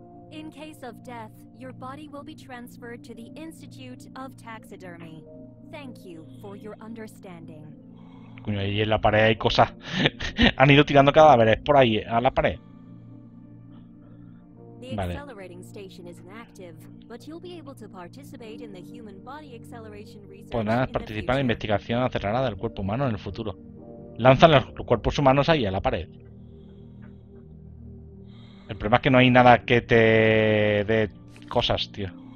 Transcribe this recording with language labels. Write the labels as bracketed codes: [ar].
[en] In case of death, your body will be transferred to the Institute of Taxidermy. Thank you for your understanding. [es] Coño, ahí en la pared hay cosas. Han ido tirando cadáveres por ahí, a la pared. The vale. [en] Accelerating station is inactive, but you'll be able to participate in the human body acceleration research. [es] Podrás participar en la investigación acelerada del cuerpo humano en el futuro. Lanzan los cuerpos humanos ahí a la pared. El problema es que no hay nada que te dé cosas, tío.